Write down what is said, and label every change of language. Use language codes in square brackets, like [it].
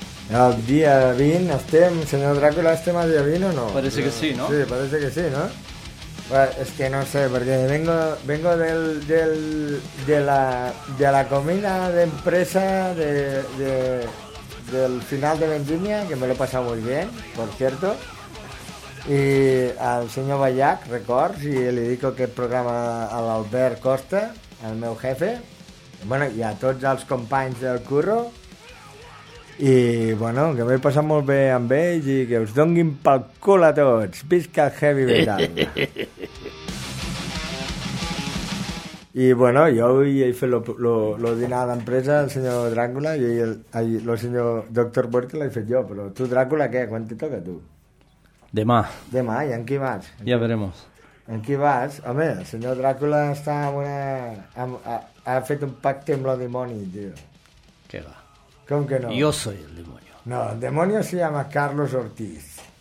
[ca] El dia 20 estem, senyor Dràcula, estem al dia 20 o no? [es] Parece que sí, no? Sí, parece que sí, no? Bueno, es que no sé, porque vengo de la comida de empresa del final de vendimia, que me lo he pasado muy bien, por cierto. Y al señor Ballac, records, y le dedico [ca] aquest programa a l'Albert Costa, el meu jefe. Bueno, i a tots els companys del curro. I, bueno, que m'he passat molt bé amb ells i que us donguin pel cul a tots. Visca el heavy metal. I, bueno, jo avui he fet lo dinar d'empresa, el senyor Dràcula, i el senyor Dr. Borges l'he fet jo. Però tu, Dràcula, què? Quan te toca, tu? Demà. Demà, i en qui vas? Ja [es] veremos. [ca] En qui vas? Home, el senyor Dràcula està amb una... Ha fet un pacte amb el dimoni, tio. Què va? Com que no? Jo [es] soy [ca] el dimoni. [es] No, el dimoni se llama Carlos Ortiz.